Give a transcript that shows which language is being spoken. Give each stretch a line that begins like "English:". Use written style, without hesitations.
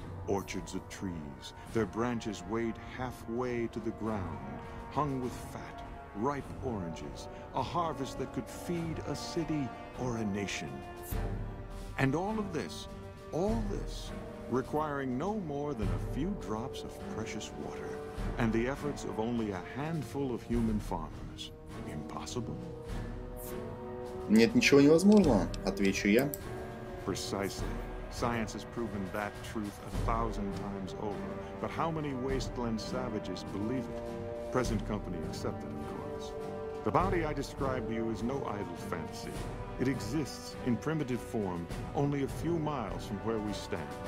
English: Orchards of trees, their branches weighed halfway to the ground, hung with fat, ripe oranges, a harvest that could feed a city or a nation. And all this, requiring no more than a few drops of precious water and the efforts of only a handful of human farmers. Impossible?
Russian: Нет, ничего невозможного, отвечу я.
English: Precisely. Science has proven that truth a thousand times over. But how many wasteland savages believe it? Present company accepted, of course. The bounty I described to you is no idle fantasy. It exists in primitive form only a few miles from where we stand.